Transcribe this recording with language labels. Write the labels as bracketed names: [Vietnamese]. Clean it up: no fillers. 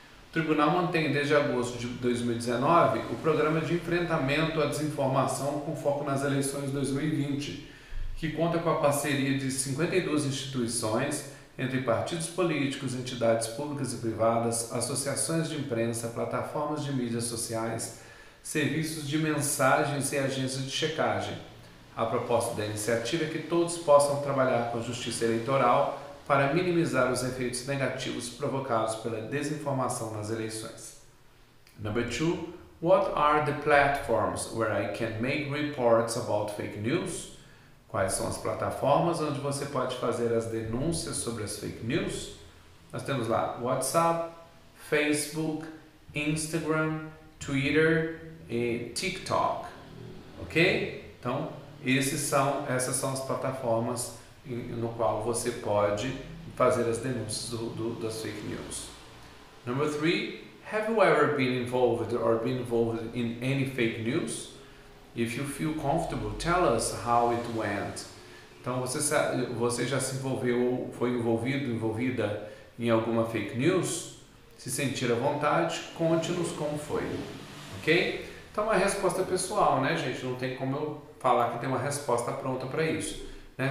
[Portuguese] O tribunal mantém desde agosto de 2019 o programa de enfrentamento à desinformação com foco nas eleições de 2020, que conta com a parceria de 52 instituições, entre partidos políticos, entidades públicas e privadas, associações de imprensa, plataformas de mídias sociais, serviços de mensagens e agências de checagem. A proposta da iniciativa é que todos possam trabalhar com a Justiça Eleitoral para minimizar os efeitos negativos provocados pela desinformação nas eleições. [English] Number two, what are the platforms where I can make reports about fake news? [Portuguese] Quais são as plataformas onde você pode fazer as denúncias sobre as fake news? Nós temos lá WhatsApp, Facebook, Instagram, Twitter e TikTok. Ok? Então, essas são as plataformas no qual você pode fazer as denúncias das fake news. [English] Number three, have you ever been involved or been involved in any fake news? If you feel comfortable, tell us how it went. [Portuguese] Então, você já se envolveu, foi envolvido, envolvida em alguma fake news? Se sentir à vontade, conte-nos como foi, ok? Então, a resposta pessoal, né, gente? Não tem como eu falar que tem uma resposta pronta para isso, né?